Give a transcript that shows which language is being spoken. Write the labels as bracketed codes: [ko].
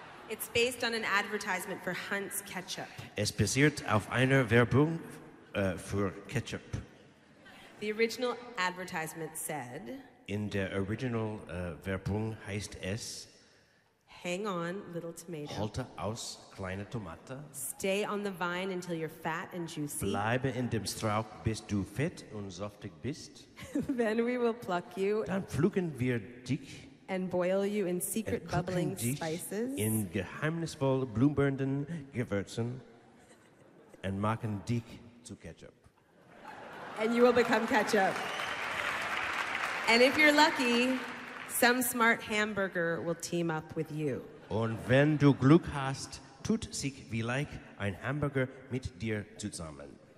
[en] It's based on an advertisement for Hunt's ketchup. [de] Es basiert auf einer Werbung für Ketchup. [en] The original advertisement said... [de] In der original Werbung heißt es... [en] Hang on, little tomato. [de] Halte aus, kleine Tomate. [en] Stay on the vine until you're fat and juicy. [de] Bleibe in dem Strauch, bis du fett und saftig bist. [en] Then we will pluck you. [de] Dann pflücken wir dich... [en] And boil you in secret bubbling spices. [de] In geheimnisvoll blumbernden Gewürzen. And machen dich zu ketchup. [en] And you will become ketchup. And if you're lucky, some smart hamburger will team up with you. [de] Und wenn du Glück hast, tut sich vielleicht ein Hamburger mit dir zusammen.